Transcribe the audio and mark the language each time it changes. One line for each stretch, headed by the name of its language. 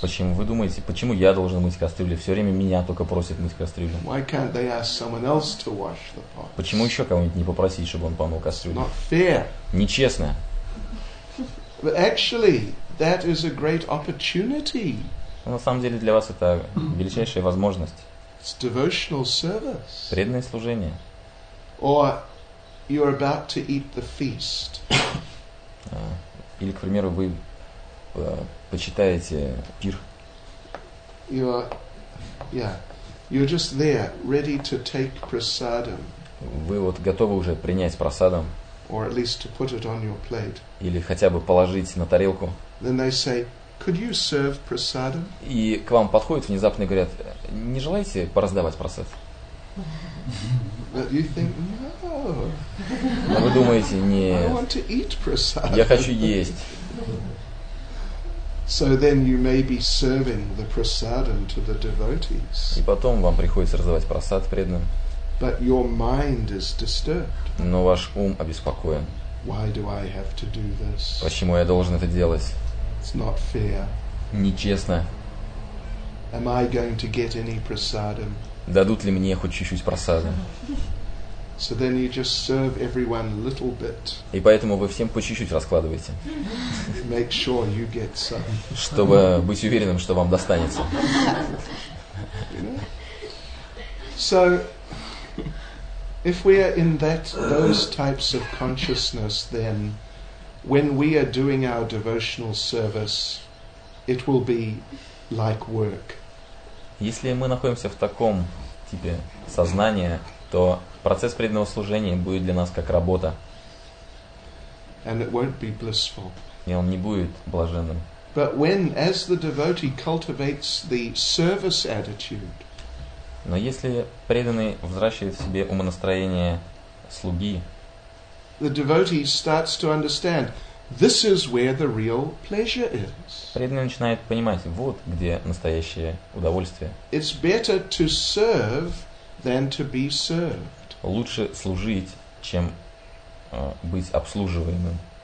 Russian: Почему вы думаете, почему я должен мыть кастрюли? Все время меня только просят мыть кастрюли.
English: Why can't they ask someone else to wash the pots?
Russian: Почему еще кого-нибудь не попросить, чтобы он помыл кастрюли?
English: Not fair.
Russian: Нечестно.
English: But actually, That is a great opportunity.
Russian: На самом деле для вас это величайшая возможность.
English: It's devotional service.
Russian: Преданное служение.
English: Or you're about to eat the feast.
Russian: Или, к примеру, вы почитаете пир.
English: You're just there, ready to take prasadam.
Russian: Вы вот готовы уже принять прасадам.
English: Or at least to put it on your plate.
Russian: Или хотя бы положить на тарелку.
English: Then they say, could you serve prasadam?
Russian: И к вам подходят внезапно и говорят, не желаете пораздавать прасад?
English: But you think, no.
Russian: Но вы думаете, нет.
English: I want to eat prasadam.
Russian: Я хочу есть.
English: So then you may be serving the prasadam to the devotees.
Russian: И потом вам приходится раздавать прасад преданным.
English: But your mind is disturbed.
Russian: Но ваш ум обеспокоен.
English: Why do I have to do this?
Russian: Почему я должен это делать?
English: It's not fair.
Russian: Нечестно.
English: Am I going to get any prasadam?
Russian: Дадут ли мне хоть чуть-чуть прасада?
English: So then you just serve everyone little bit.
Russian: И поэтому вы всем по чуть-чуть раскладываете.
English: Make sure you get some.
Russian: Чтобы быть уверенным, что вам достанется.
English: So if we are in those types of consciousness, then when we are doing our devotional service, it will be like work.
Russian: Если мы находимся в таком типе сознания, то процесс преданного служения будет для нас как работа.
English: And it won't be blissful.
Russian: И он не будет блаженным.
English: But when, as the devotee cultivates the service attitude,
Russian: но если преданный взращивает в себе умонастроение слуги,
English: the devotee starts to understand, this is where the real pleasure is.
Russian: Преданный начинает понимать, вот где настоящее удовольствие.
English: It's better to serve than to be served.
Russian: Лучше служить, чем быть обслуживаемым.